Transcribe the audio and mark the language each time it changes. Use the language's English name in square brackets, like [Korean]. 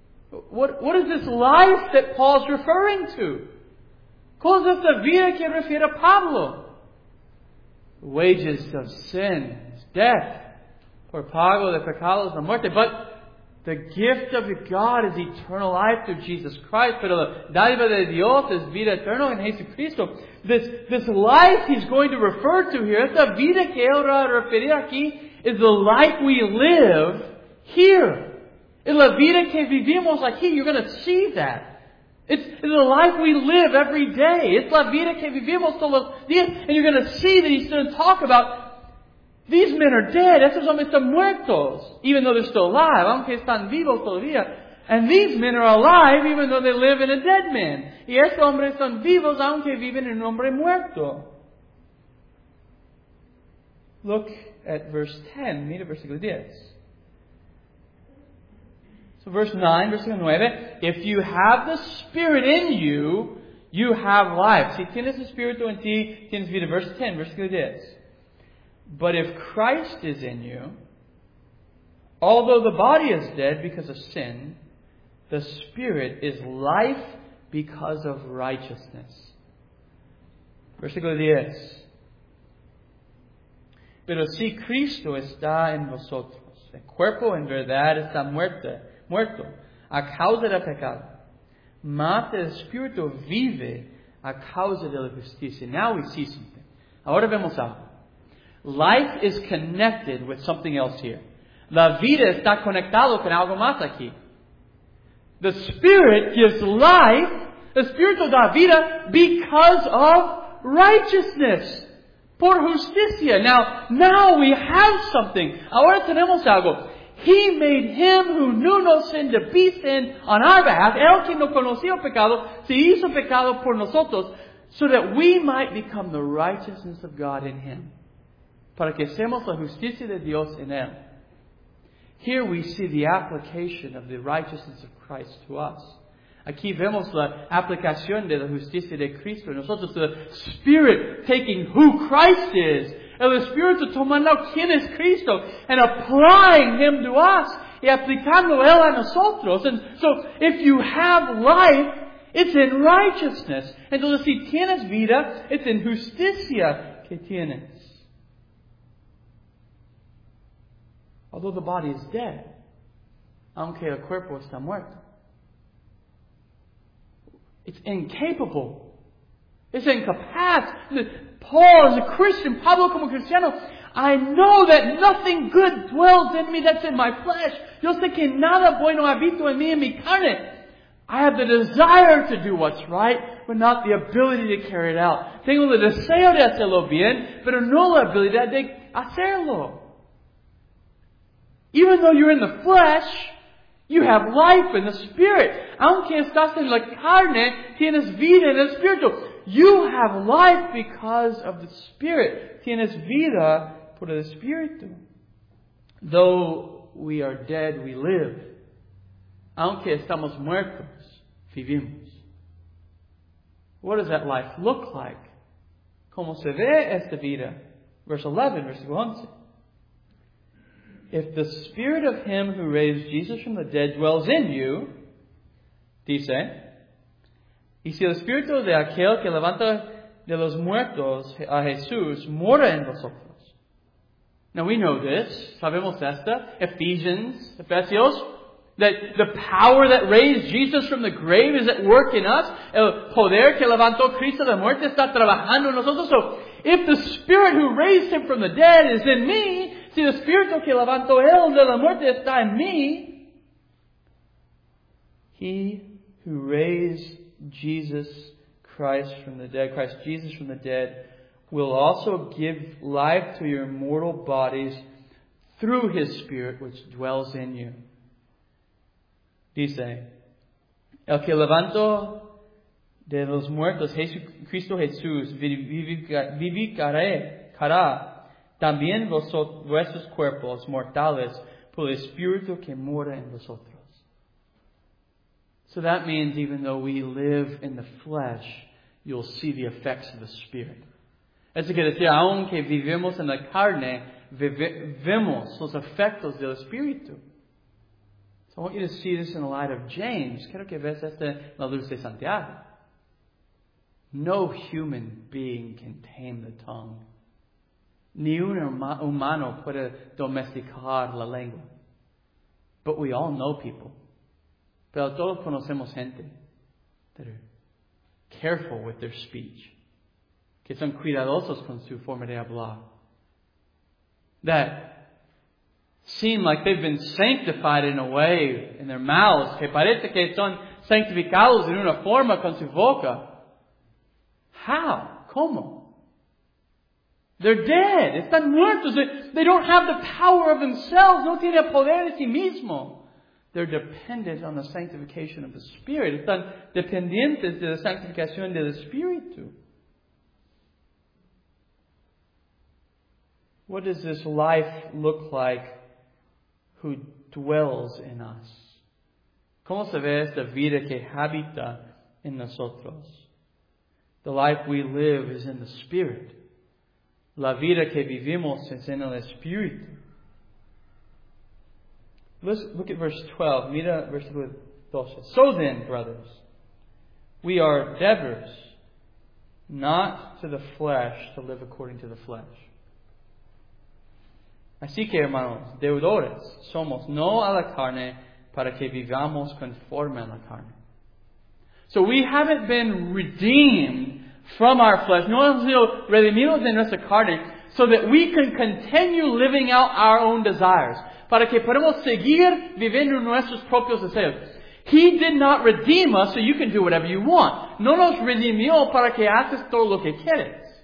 [English] What is this life that Paul's referring to? [Spanish] ¿Cuál es la vida que refiere a Pablo? [English] Wages of sin is death. [Spanish] Por pago de pecado es la muerte. [English] But the gift of God is eternal life through Jesus Christ. [Spanish] Pero la dádiva de Dios es vida eterna en Jesucristo. [English] This life he's going to refer to here, [Spanish] esta vida que él va a referir aquí, [English] is the life we live here. [Spanish] Es la vida que vivimos aquí. [English] You're going to see that. It's the life we live every day. It's [Spanish] la vida que vivimos todos los días. [English] And you're going to see that he's going to talk about these men are dead. [Spanish] Estos hombres están muertos. [English] Even though they're still alive. [Spanish] Aunque están vivos todavía. [English] And these men are alive even though they live in a dead man. [Spanish] Y estos hombres están vivos aunque viven en un hombre muerto. [English] Look at verse 10. [Spanish] Mira versículo 10. [English] So verse 9, [Spanish] versículo 9. [English] If you have the Spirit in you, you have life. [Spanish] Si tienes Espíritu en ti, tienes vida. [English] Verse 10, [Spanish] versículo 10. [English] But if Christ is in you, although the body is dead because of sin, the Spirit is life because of righteousness. [Spanish] Versículo 10. Pero si Cristo está en vosotros, el cuerpo en verdad está muerto a causa del pecado, mas el Espíritu vive a causa de la justicia. [English] Now we see something. [Spanish] Ahora vemos algo. [English] Life is connected with something else here. [Spanish] La vida está conectado con algo más aquí. [English] The Spirit gives life, [Spanish] el Espíritu da vida, [English] because of righteousness. [Spanish] Por justicia. [English] Now we have something. [Spanish] Ahora tenemos algo. [English] He made him who knew no sin to be sin on our behalf. [Spanish] El que no conoció pecado, se hizo pecado por nosotros, [English] so that we might become the righteousness of God in him. [Spanish] Para que seamos la justicia de Dios en él. [English] Here we see the application of the righteousness of Christ to us. [Spanish] Aquí vemos la aplicación de la justicia de Cristo en nosotros. [English] The Spirit taking who Christ is. [Spanish] El Espíritu tomando quién es Cristo. [English] And applying Him to us. [Spanish] Y aplicando Él a nosotros. [English] And so, if you have life, it's in righteousness. [Spanish] Entonces, si tienes vida, [English] it's in [Spanish] justicia que tienes. [English] Although the body is dead, [Spanish] aunque el cuerpo está muerto, [English] it's incapable [Spanish] Es incapaz. [English] Paul, as a Christian, [Spanish] Pablo como cristiano, [English] I know that nothing good dwells in me that's in my flesh. [Spanish] Yo sé que nada bueno habito en mí en mi carne. [English] I have the desire to do what's right, but not the ability to carry it out. [Spanish] Tengo el deseo de hacerlo bien, pero no la habilidad de hacerlo. [English] Even though you're in the flesh, you have life in the spirit. [Spanish] Aunque estás en la carne, tienes vida en el espíritu. [English] You have life because of the spirit. [Spanish] Tienes vida por el espíritu. [English] Though we are dead, we live. [Spanish] Aunque estamos muertos, vivimos. [English] What does that life look like? [Spanish] ¿Cómo se ve esta vida? [English] Verse 11, [Spanish] versículo 11. [English] If the spirit of him who raised Jesus from the dead dwells in you, [Spanish] dice, y si el espíritu de aquel que levanta de los muertos a Jesús mora en vosotros. [English] Now we know this. [Spanish] Sabemos esta. [English] Efesios. That the power that raised Jesus from the grave is at work in us. [Spanish] El poder que levantó Cristo de muerte está trabajando en nosotros. [English] So, if the Spirit who raised Him from the dead is in me, [Spanish] si el Espíritu que levantó Él de la muerte está en mí, [English] He who raised Jesus Christ from the dead, Christ Jesus from the dead, will also give life to your mortal bodies through His Spirit which dwells in you. [Spanish] Dice, el que levantó de los muertos, Cristo Jesús, vivificará también vuestros cuerpos mortales por el Espíritu que mora en vosotros. [English] So that means even though we live in the flesh, you'll see the effects of the Spirit. [Spanish] Eso quiere decir, aunque vivimos en la carne, vemos los efectos del Espíritu. [English] So I want you to see this in the light of James. [Spanish] Quiero que veas esto en la luz de Santiago. [English] No human being can tame the tongue. [Spanish] Ni un humano puede domesticar la lengua. [English] But we all know people. Pero todos conocemos gente that are careful with their speech. [Spanish] Que son cuidadosos con su forma de hablar. [English] That seem like they've been sanctified in a way in their mouths. [Spanish] Que parece que son sanctificados en una forma con su boca. [English] How? [Spanish] ¿Cómo? [English] They're dead. [Spanish] Están muertos. [English] They don't have the power of themselves. [Spanish] No tiene poder de sí mismo. [English] They're dependent on the sanctification of the Spirit. [Spanish] Están dependientes de la sanctificación del Espíritu. [English] What does this life look like who dwells in us? [Spanish] ¿Cómo se ve esta vida que habita en nosotros? [English] The life we live is in the Spirit. [Spanish] La vida que vivimos es en el Espíritu. [English] Look at verse 12. [Spanish] Mira versículo 12. [English] So then, brothers, we are debtors not to the flesh to live according to the flesh. [Spanish] Así que, hermanos, deudores somos no a la carne para que vivamos conforme a la carne. [English] So we haven't been redeemed from our flesh. [Spanish] No hemos sido redimidos de nuestra carne [English] so that we can continue living out our own desires. [Spanish] Para que podamos seguir viviendo nuestros propios deseos. [English] He did not redeem us so you can do whatever you want. [Spanish] No nos redimió para que haces todo lo que quieres.